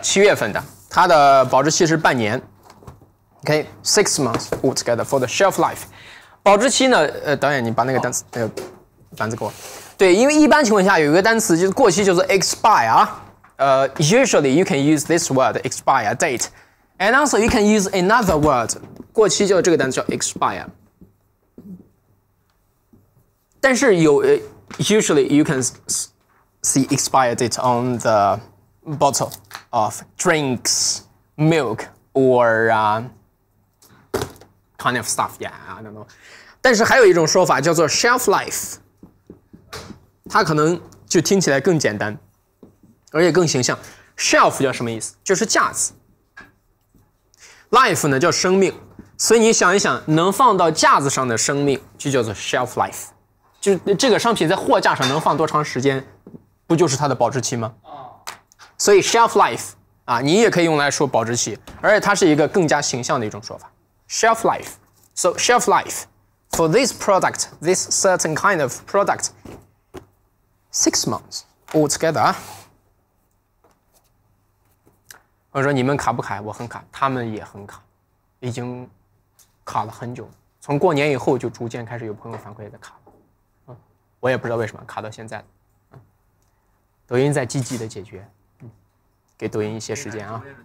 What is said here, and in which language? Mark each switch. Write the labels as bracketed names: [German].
[Chinese] 7月份的，它的保质期是半年。 [English] Okay, 6 months all together for the shelf life. [Chinese] 保质期呢？导演，你把那个单词那个单词给我。对，因为一般情况下有一个单词就是过期，就是 expire。 [English] Usually you can use this word expire date, and also you can use another word. [Chinese] 过期就这个单词叫 expire。但是有 [English] usually you can see expire date on the bottle of drinks, milk, or kind of stuff, yeah, I don't know. [Chinese] 但是还有一种说法叫做 shelf life， 它可能就听起来更简单，而且更形象。shelf 叫什么意思？就是架子。 life 呢叫生命，所以你想一想，能放到架子上的生命就叫做 shelf life， 就是这个商品在货架上能放多长时间，不就是它的保质期吗？所以 shelf life 啊，你也可以用来说保质期，而且它是一个更加形象的一种说法。 [English] Shelf life. So shelf life for this product, this certain kind of product, 6 months altogether. [Chinese] 我说你们卡不卡？我很卡，他们也很卡，已经卡了很久。从过年以后就逐渐开始有朋友反馈在卡了，我也不知道为什么卡到现在。抖音在积极的解决，给抖音一些时间啊。